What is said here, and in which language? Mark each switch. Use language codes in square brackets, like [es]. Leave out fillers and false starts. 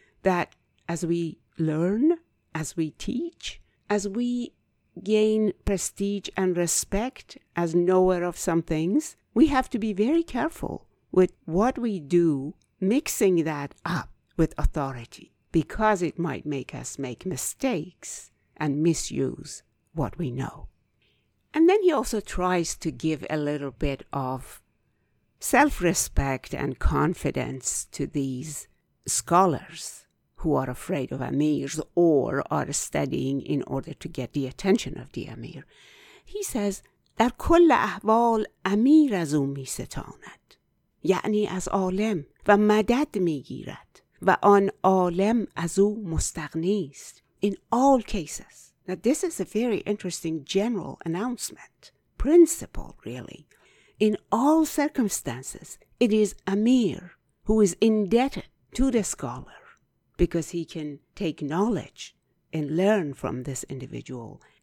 [en] That as we learn, as we teach, as we gain prestige and respect as knower of some things, we have to be very careful with what we do, mixing that up with authority, because it might make us make mistakes and misuse what we know. And then he also tries to give a little bit of self-respect and confidence to these scholars who are afraid of emirs or are studying in order to get the attention of the emir. He says, [fa] در کل احوال امیر از او می ستاند, یعنی از عالم, و مدد می گیرد, و آن عالم از او مستغنی است. [en] In all cases. Now this is a very interesting general announcement, principle really. In all circumstances, it is emir who is indebted to the scholar, because he can take knowledge and learn from this individual.